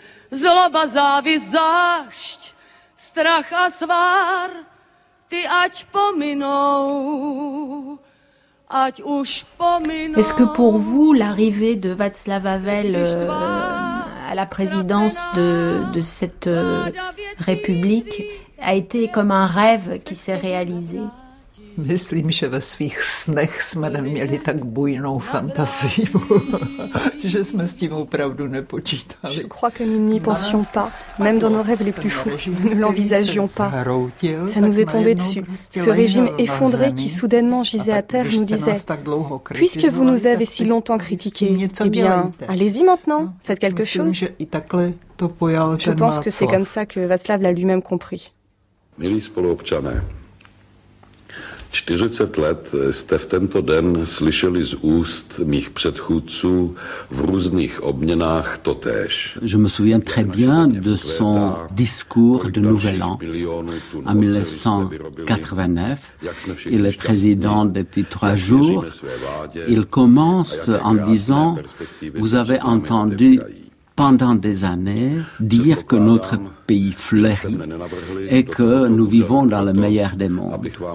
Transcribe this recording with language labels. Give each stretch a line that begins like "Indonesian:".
Czech: Zloba, závist, zášť, strach a svár, ty ať pominou.
French: Est-ce que pour vous, l'arrivée de Václav Havel à la présidence de cette république a été comme un rêve qui s'est réalisé?
Czech: Myslím, že ve svých snech jsme neměli tak bujnou fantazii, že jsme s tím opravdu nepočítali.
French: Je crois que nous n'y pensions pas, même dans nos rêves les plus fous, nous ne l'envisagions pas. Ça nous est tombé dessus. Ce régime effondré qui soudainement gisait à terre nous disait: puisque vous nous avez si longtemps critiqué, eh bien, allez-y maintenant, faites quelque chose. Je pense que c'est comme ça que Václav l'a lui-même compris.
Czech: Milí spoluobčané, 40 let jste v tento den slyšeli z úst mých předchůdců v různých obměnách totéž.
French: Je me souviens très bien de son discours de nouvel an. En 1989, il est président depuis trois jours. Il commence en disant, vous avez entendu pendant des années dire que notre pays fleurit et que nous vivons dans le meilleur des mondes.